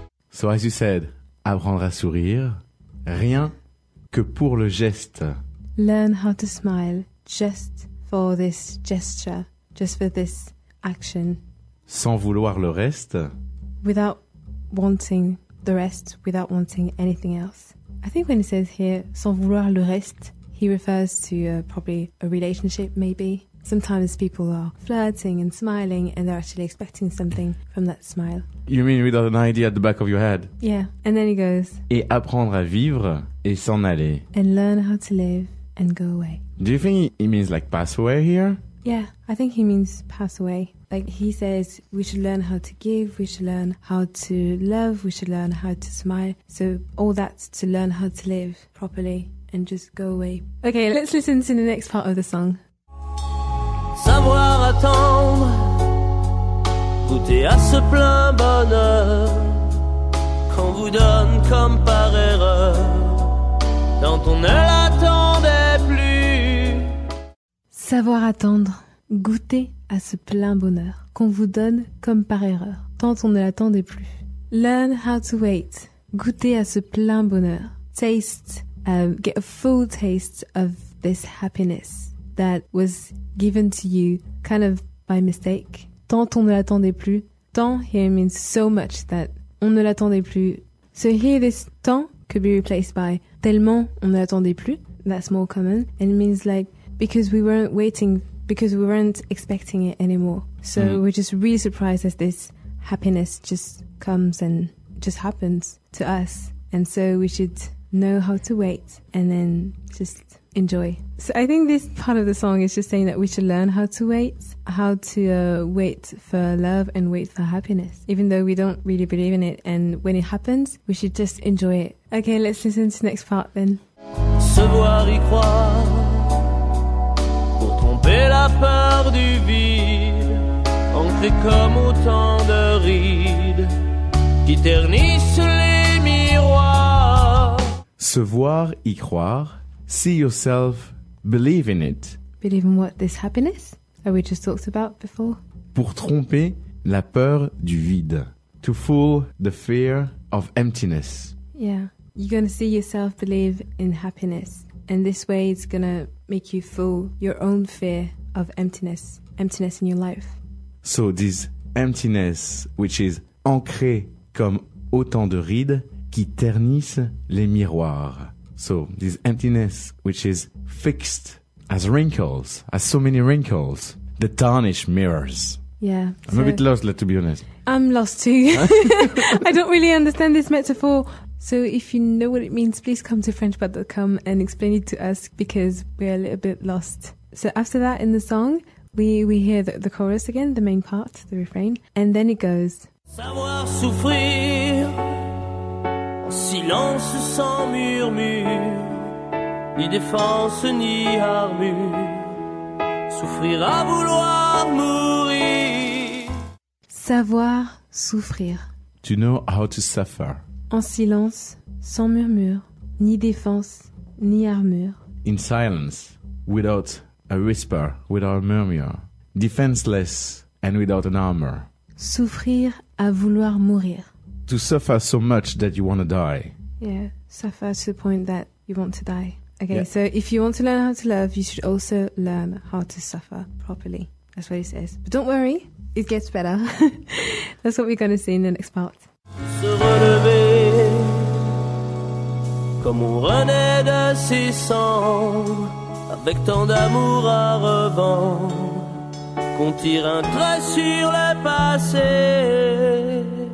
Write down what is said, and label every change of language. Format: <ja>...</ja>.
<en>So as you said,</en> <fr>apprendre à sourire, rien que pour le geste.</fr> <en>Learn how to smile just for this gesture, just for this action.</en> <fr>Sans vouloir le reste.</fr> <en>Without wanting the rest, without wanting anything else. I think when he says here,</en> <fr>sans vouloir le reste,</fr> <en>he refers to probably a relationship maybe. Sometimes people are flirting and smiling and they're actually expecting something from that smile. You mean without an idea at the back of your head? Yeah. And then he goes...</en> <fr>Et apprendre à vivre et s'en aller.</fr> <en>And learn how to live and go away. Do you think he means like pass away here? Yeah, I think he means pass away. Like he says, we should learn how to give, we should learn how to love, we should learn how to smile. So all that's to learn how to live properly and just go away. Okay, let's listen to the next part of the song.</en> <fr>Savoir attendre, goûter à ce plein bonheur qu'on vous donne comme par erreur dont on ne l'attendait plus. Savoir attendre, goûter à ce plein bonheur qu'on vous donne comme par erreur tant on ne l'attendait plus.</fr> <en>Learn how to wait,</en> <fr>goûter à ce plein bonheur.</fr> <en>Taste, get a full taste of this happiness that was given to you kind of by mistake.</en> <fr>Tant on ne l'attendait plus.</fr> <en>Tant here means so much that</en> <fr>on ne l'attendait plus.</fr> <en>So here this tant could be replaced by</en> <fr>tellement on ne l'attendait plus.</fr> <en>That's more common. And it means like because we weren't waiting, because we weren't expecting it anymore. So we're just really surprised as this happiness just comes and just happens to us. And so we should know how to wait and then just enjoy. So I think this part of the song is just saying that we should learn how to wait. How to wait for love and wait for happiness. Even though we don't really believe in it. And when it happens, we should just enjoy it. Okay, let's listen to the next part then.</en> <fr>Se voir y croire pour tromper la peur du vide, entrer comme autant de rides qui ternissent les miroirs. Se voir y croire.</fr> <en>See yourself, believe in it. Believe in what? This happiness that we just talked about before?</en> <fr>Pour tromper la peur du vide.</fr> <en>To fool the fear of emptiness. Yeah. You're going to see yourself believe in happiness. And this way it's going to make you fool your own fear of emptiness. Emptiness in your life. So this emptiness, which is</en> <fr>ancré comme autant de rides qui ternissent les miroirs.</fr> <en>So this emptiness, which is fixed as wrinkles, as so many wrinkles, the tarnished mirrors. Yeah. I'm so a bit lost, to be honest. I'm lost too. I don't really understand this metaphor. So if you know what it means, please come to Frenchpod.com and explain it to us because we're a little bit lost. So after that in the song, we hear the chorus again, the main part, the refrain, and then it goes.</en> <fr>Savoir souffrir. Silence sans murmure, ni défense ni armure, souffrir à vouloir mourir. Savoir souffrir.</fr> <en>To know how to suffer.</en> <fr>En silence, sans murmure, ni défense ni armure.</fr> <en>In silence, without a whisper, without a murmur. Defenseless and without an armor.</en> <fr>Souffrir à vouloir mourir.</fr> <en>To suffer so much that you want to die. Yeah, suffer to the point that you want to die. Okay, yeah. So if you want to learn how to love, you should also learn how to suffer properly. That's what he says. But don't worry, it gets better. That's what we're going to see in the next part.</en> <fr>Se relever comme on renaît de ses cendres, avec tant d'amour à revendre, qu'on tire un trait sur le passé.</fr>